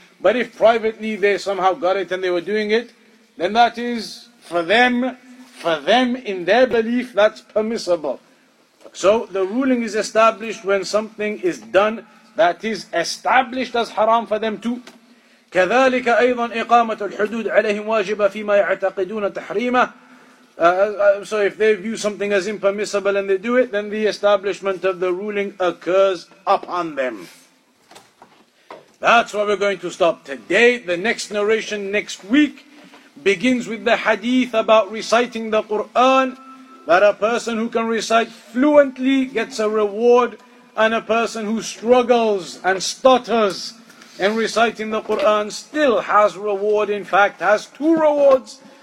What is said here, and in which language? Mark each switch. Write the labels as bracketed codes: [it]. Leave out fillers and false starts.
[en] But if privately they somehow got it and they were doing it, then that is for them in their belief, that's permissible. So the ruling is established when something is done that is established as haram for them too. [ar] كذلك أيضا إقامة الحدود عليهم واجبة فيما يعتقدون تحريمه. [en] So if they view something as impermissible and they do it, then the establishment of the ruling occurs upon them. That's where we're going to stop today. The next narration next week begins with the hadith about reciting the Qur'an, that a person who can recite fluently gets a reward, and a person who struggles and stutters in reciting the Qur'an still has reward, in fact has two rewards.